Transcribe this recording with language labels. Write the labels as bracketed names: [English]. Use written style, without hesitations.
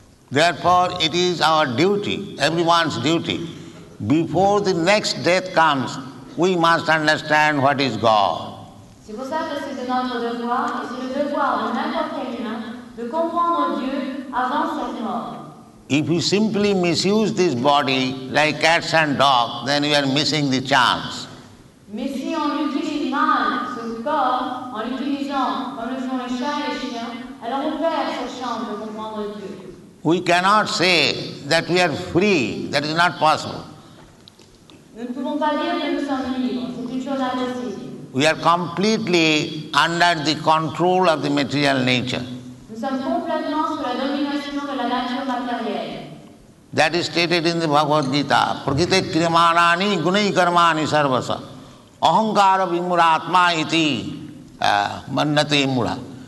[English] Therefore, it is our duty, everyone's duty, before the next death comes, we must understand what is God. [French] C'est pour ça que c'est de notre devoir, et c'est le devoir de n'importe quel humain, de comprendre Dieu avant cette mort. [English] If you simply misuse this body like cats and dogs, then you are missing the chance. [French] Mais si on utilise mal ce corps, en l'utilisant comme le font les chats et les chiens, alors on perd cette chance de comprendre Dieu. [English] We cannot say that we are free. That is not possible. [French] Nous ne pouvons pas dire que nous sommes libres. C'est une chose impossible. [English] We are completely under the control of the material nature. [French] Nous sommes complètement sous la domination de la nature matérielle. [English] That is stated in the Bhagavad Gita. [Sanskrit] Prakriti kriyamanani gunai karmani sarvasa. Ahankara vimuratma iti mannate mula.